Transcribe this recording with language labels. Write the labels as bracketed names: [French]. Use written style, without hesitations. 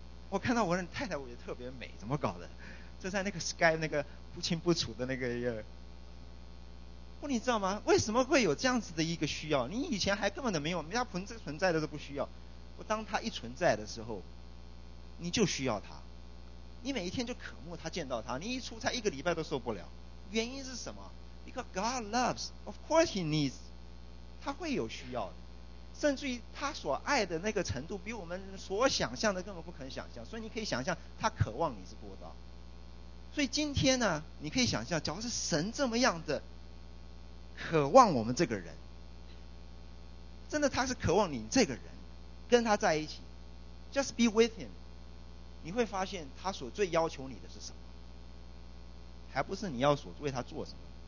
[Chinese] 我看到我的太太，我也特别美，怎么搞的？这在那个 Skype 那个不清不楚的那个月，不，你知道吗？为什么会有这样子的一个需要？你以前还根本都没有，人家存在的都不需要。我当他一存在的时候，你就需要他。你每一天就渴慕他见到他，你一出差一个礼拜都受不了，原因是什么？ [English] Because God loves, of course he needs. [Chinese] 他会有需要的，甚至于他所爱的那个程度比我们所想象的根本不可能想象，所以你可以想象他渴望你是做到。所以今天呢，你可以想象，假如是神这么样的渴望我们这个人，真的他是渴望你这个人跟他在一起， [English] just be with him， [Chinese] 你会发现他所最要求你的是什么，还不是你要所为他做什么。